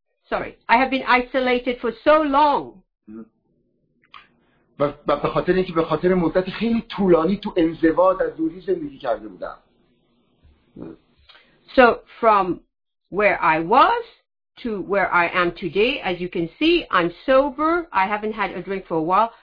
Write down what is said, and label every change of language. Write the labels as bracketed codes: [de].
[en] I have been isolated for so long. [fa] و به خاطر اینکه به خاطر مدت خیلی طولانی تو انزوا در دوری زندگی کرده بودم. [en] So from where I was to where I am today, as you can see, I'm sober. I haven't had a drink for a while.